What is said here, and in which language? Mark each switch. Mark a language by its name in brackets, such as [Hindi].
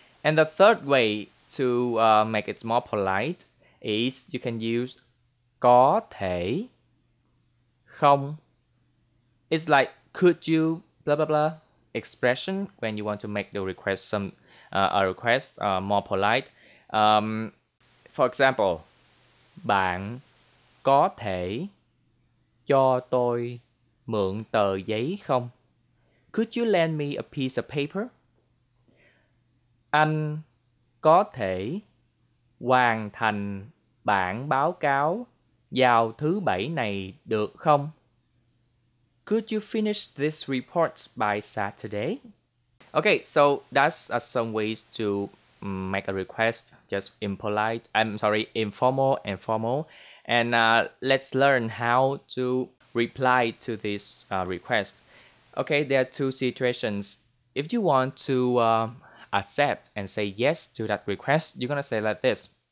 [English] And the third way to make it more polite is you can use có thể không. It's like could you blah blah blah expression when you want to make the request some a request more polite. For example, [Vietnamese] bạn có thể cho tôi mượn tờ giấy không? [English] Could you lend me a piece of paper? [Vietnamese] Anh có thể hoàn thành bản báo cáo vào thứ bảy này được không? [English] Could you finish this report by Saturday? Okay, so that's some ways to make a request, just impolite, I'm sorry, informal and formal. And let's learn how to reply to this request. Okay, there are two situations. If you want to accept and say yes to that request, you're gonna say like this.